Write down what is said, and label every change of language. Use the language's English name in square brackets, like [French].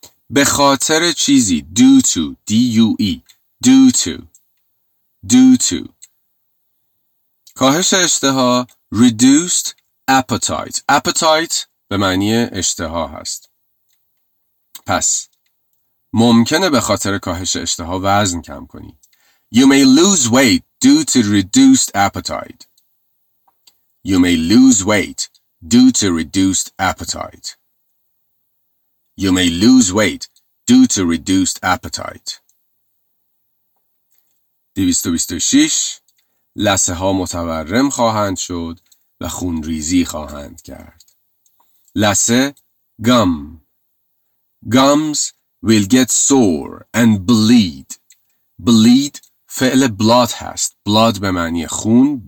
[Persian] به خاطر چیزی [English] due to, D-U-E, due to, due to. [Persian] کاهش اشتها [English] reduced appetite. [Persian] Appetite به معنی اشتها هست. پس ممکنه به خاطر کاهش اشتها وزن کم کنی. [English] You may lose weight due to reduced appetite. You may lose weight due to reduced appetite. You may lose weight due to reduced appetite. 226. [Persian] لثه ها متورم خواهند شد و خونریزی خواهند کرد. لثه [English] gum. Gums will get sore and bleed. [Persian] Bleed فعل blood هست. Blood به معنی خون.